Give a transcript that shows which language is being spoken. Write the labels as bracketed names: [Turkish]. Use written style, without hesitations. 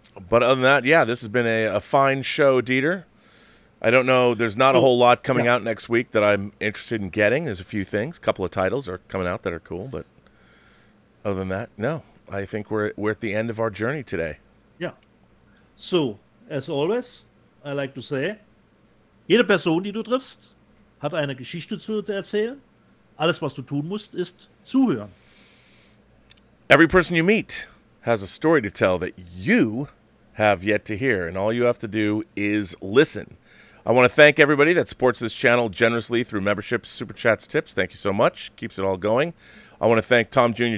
[English] But other than that, yeah, this has been a fine show, Dieter. I don't know. There's not a whole lot coming out next week that I'm interested in getting. There's a few things. A couple of titles are coming out that are cool. But other than that, no. I think we're at the end of our journey today. Yeah. So, as always, I like to say, [German] jede Person, die du triffst, hat eine Geschichte zu erzählen. Alles, was du tun musst, ist zuhören. [English] Every person you meet has a story to tell that you have yet to hear, and all you have to do is listen. I want to thank everybody that supports this channel generously through memberships, super chats, tips. Thank you so much. Keeps it all going. I want to thank Tom Jr.